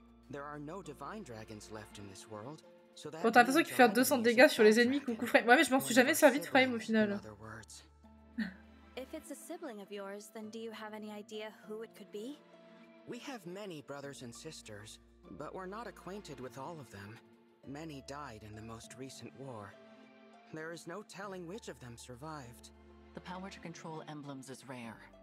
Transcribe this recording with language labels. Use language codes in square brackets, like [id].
[en] There are no divine dragons left in this world. [fr] Bon, t'as l'impression qu'il fait 200 dégâts sur les ennemis, coucou Frame. Ouais, mais je m'en suis jamais servi de Frame au final. [en] If it's a sibling of yours, then do you have any idea who it could be? We have many brothers and sisters, but we're not acquainted with all of them. Many died in the most recent war. There is no telling which of them survived. The power to control emblems is rare.